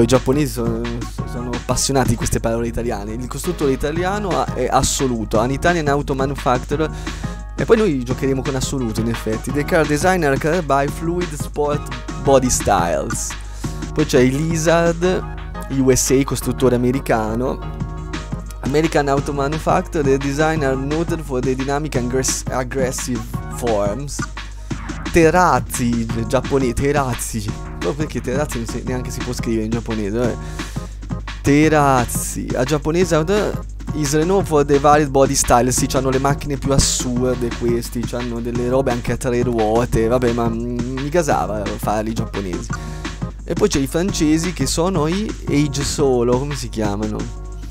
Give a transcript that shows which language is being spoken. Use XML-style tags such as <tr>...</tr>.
<it>I giapponesi sono appassionati di queste parole italiane. Il costruttore italiano è Assoluto.</it> <en>An Italian Auto Manufacturer.</en> <it>E poi noi giocheremo con Assoluto, in effetti.</it> <en>The car designer created by Fluid Sport Body Styles.</en> <it>Poi c'è Lizard USA, costruttore americano.</it> <en>American Auto Manufacturer, the designer noted for the dynamic and aggressive forms.</en> <it>Terazzi, giapponese, Terazzi. Però perché Terazzi neanche si può scrivere in giapponese, eh?</it> <en>Terazzi, a giapponese auto is renowned for the varied body style.</en> <it>Sì, c'hanno le macchine più assurde questi, c'hanno delle robe anche a tre ruote. Vabbè, ma mi gasava fare i giapponesi. E poi c'è i francesi, che sono i Age Solo, come si chiamano?</it>